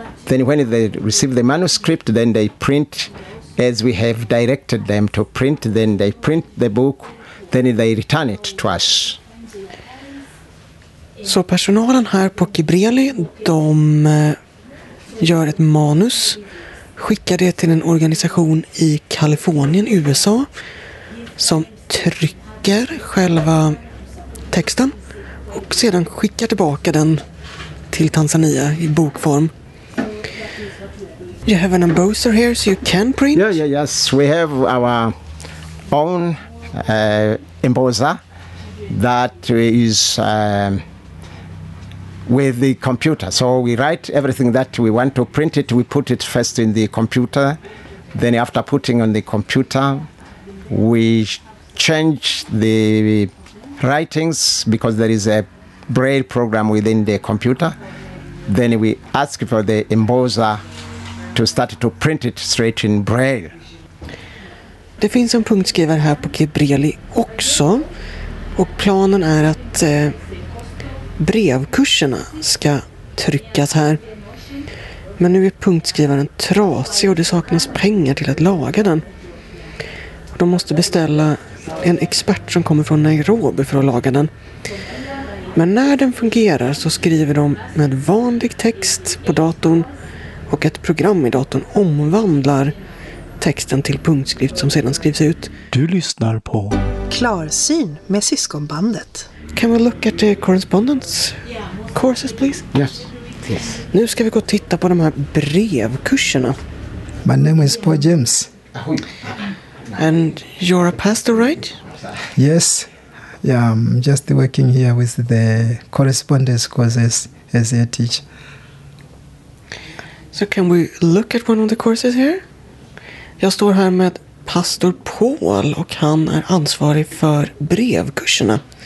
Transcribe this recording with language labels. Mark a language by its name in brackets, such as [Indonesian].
[English] Then when they receive the manuscript, then they print as we have directed them to print. Then they print the book, then they return it to us. [Swedish] Så personalen här på Kibreli, de gör ett manus, skickar det till en organisation i Kalifornien, USA, som trycker själva texten och sedan skickar tillbaka den till Tanzania i bokform. [English] You have an embosser here so you can print? Yes, we have our own embosser that is with the computer. So we write everything that we want to print it, we put it first in the computer. Then after putting on the computer, we change the writings because there is a braille program within the computer. Then we ask for the embosser to start to print it straight in braille. [Swedish] Det finns en punktskrivare här på Kibreli också. Och planen är att brevkurserna ska tryckas här. Men nu är punktskrivaren trasig och det saknas pengar till att laga den. De måste beställa en expert som kommer från Nairobi för att laga den. Men när den fungerar så skriver de med vanlig text på datorn och ett program i datorn omvandlar texten till punktskrift som sedan skrivs ut. Du lyssnar på Klarsyn med Syskonbandet. [English] Can we look at the correspondence courses, please? Yes. Yes. [Swedish] Nu ska vi gå och titta på de här brevkurserna. [English] My name is Paul James. And you're a pastor, right? Yes. Yeah, I'm just working here with the correspondence courses as I teach. So can we look at one of the courses here? [Swedish] Jag står här med pastor Paul och han är ansvarig för brevkurserna.